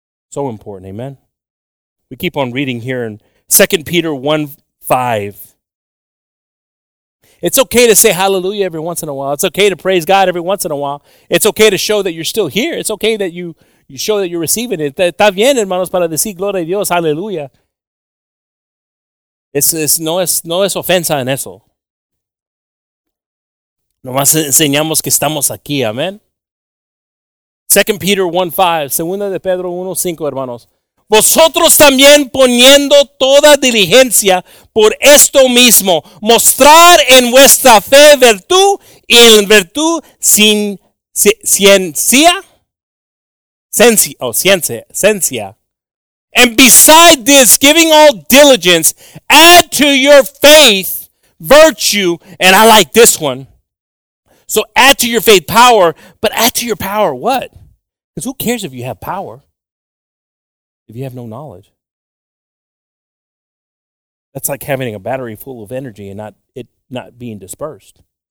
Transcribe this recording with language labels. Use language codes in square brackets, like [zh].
[en] So important, amen? We keep on reading here in 2 Peter 1:5. It's okay to say hallelujah every once in a while. It's okay to praise God every once in a while. It's okay to show that you're still here. It's okay that you show that you're receiving it. [es] Está bien, hermanos, para decir gloria a Dios, hallelujah. No es ofensa en eso. Nomás enseñamos que estamos aquí, amén. 2 Peter 1:5, 2 Pedro 1:5, hermanos. Vosotros también poniendo toda diligencia por esto mismo, mostrar en vuestra fe virtud y en virtud ciencia. [en] And beside this, giving all diligence, add to your faith virtue, and I like this one. So add to your faith power, but add to your power what? Because who cares if you have power? If you have no knowledge, that's like having a battery full of energy and not being dispersed.